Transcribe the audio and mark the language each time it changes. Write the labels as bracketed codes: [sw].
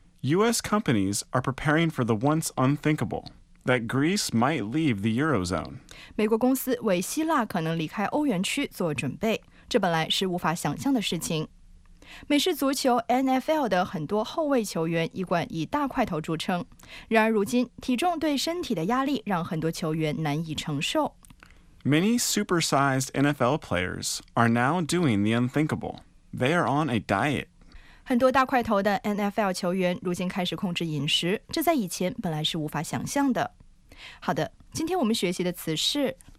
[en] US companies are preparing for the once unthinkable, that Greece might leave the Eurozone. [zh] 美国公司为希腊可能离开欧元区做准备，这本来是无法想象的事情。美式足球NFL的很多后卫球员一贯以大块头著称， 然而如今，体重对身体的压力让很多球员难以承受。 [en] Many super-sized NFL players are now doing the unthinkable. They are on a diet. [zh] 很多大块头的NFL球员如今开始控制饮食， 这在以前本来是无法想象的。好的，今天我们学习的词是